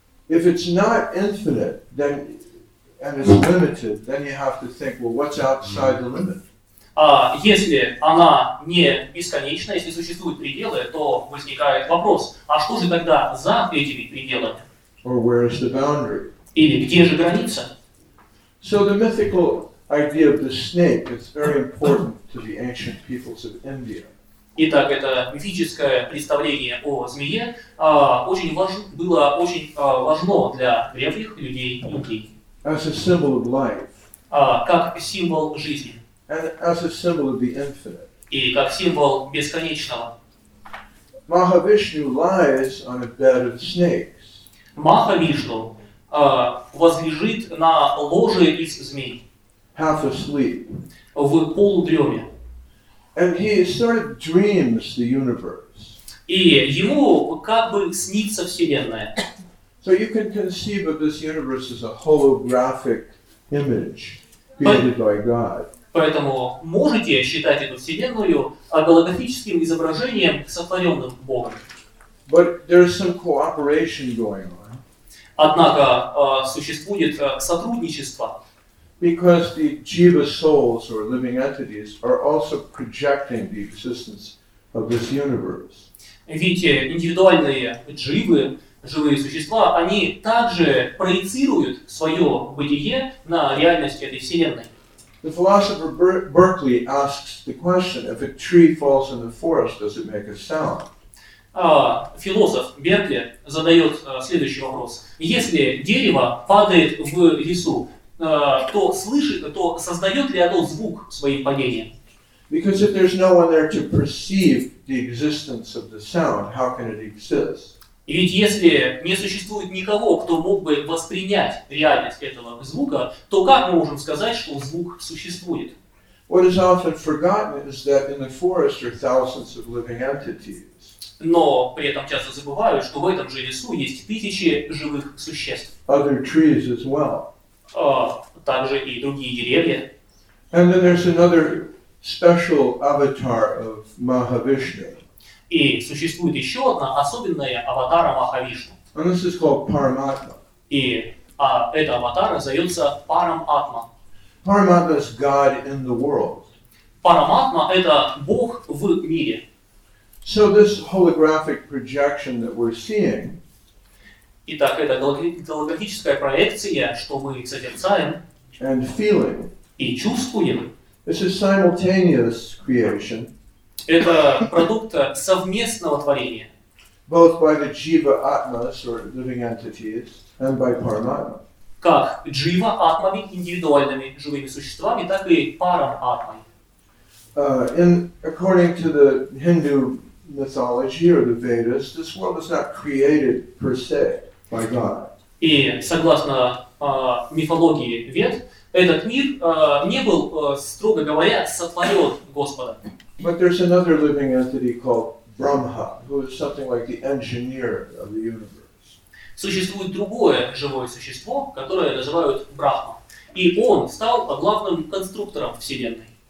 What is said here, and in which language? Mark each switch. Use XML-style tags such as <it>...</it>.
<en>If it's not infinite, then and it's limited, then you have to think, well, what's outside the limit?</en> <ru>Если она не бесконечна, если существуют пределы, то возникает вопрос, а что же тогда за этими пределами?</ru> <en>Or where is the boundary?</en> <ru>Или где же граница?</ru> <en>So the mythical idea of the snake is very important to the ancient peoples of India.</en> <ru>Итак, это мифическое представление о змее было очень важно для древних людей Индии.</ru> <en>As a symbol of life.</en> <ru>Как символ жизни.</ru> <en>And as a symbol of the infinite.</en> <ru>И как символ бесконечного.</ru> <en>Mahavishnu lies on a bed of snakes.</en> <ru>Махавишну возлежит на ложе из змей.</ru> <en>Half asleep.</en> <ru>В полудреме.</ru> <en>And he sort of dreams the universe.</en> <ru>И ему как бы снится вселенная.</ru> <en>So you can conceive of this universe as a holographic image created by God.</en> <ru>Поэтому можете считать эту вселенную голографическим изображением, сотворенным Богом.</ru> <en>But there's some cooperation going on.</en> <ru>Однако существует сотрудничество.</ru> <en>Because the jiva souls or living entities are also projecting the existence of this universe.</en> <ru>Ведь индивидуальные дживы, живые существа, они также проецируют свое бытие на реальность этой вселенной.</ru> <en>The philosopher Berkeley asks the question, if a tree falls in the forest, does it make a sound?</en> <ru>Философ Беркли задает следующий вопрос. Если дерево падает в лесу, то создает ли оно звук своим падением?</ru> <en>Because if there's no one there to perceive the existence of the sound, how can it exist?</en> <ru>Ведь если не существует никого, кто мог бы воспринять реальность этого звука, то как мы можем сказать, что звук существует?</ru> <en>What is often forgotten is that in the forest are thousands of living entities.</en> <ru>Но при этом часто забывают, что в этом же лесу есть тысячи живых существ.</ru> <en>Other trees as well.</en> <ru>Также и другие деревья.</ru> <en>And then there's another special avatar of Mahavishnu.</en> <ru>И существует еще одна особенная аватара Махавишну.</ru> <en>And this is called Paramatma.</en> <ru>Эта аватара зовется Парам-Атма.</ru> <en>Paramatma is God in the world.</en> <ru>Парам-Атма – это Бог в мире.</ru> <en>So this holographic projection that we're seeing.</en> <ru>Итак, это голографическая проекция, что мы созерцаем.</ru> <en>And feeling.</en> <ru>И чувствуем.</ru> <en>This is simultaneous creation.</en> <ru>Это продукт совместного творения.</ru> <en>both by the jiva atmas or living entities and by paramatma.</en> <ru>Как джива атмами индивидуальными живыми существами, так и парам атмой.</ru> <en>According to the Hindu mythology or the Vedas, this world is not created per se by God.</en> <ru>И согласно мифологии Вед, этот мир не был строго говоря сотворен Господом.</ru> <en>But there's another living entity called Brahma, who is something like the engineer of the universe.</en> <ru>Существует другое живое существо, которое называют Брахма. И он стал главным конструктором Вселенной.</ru>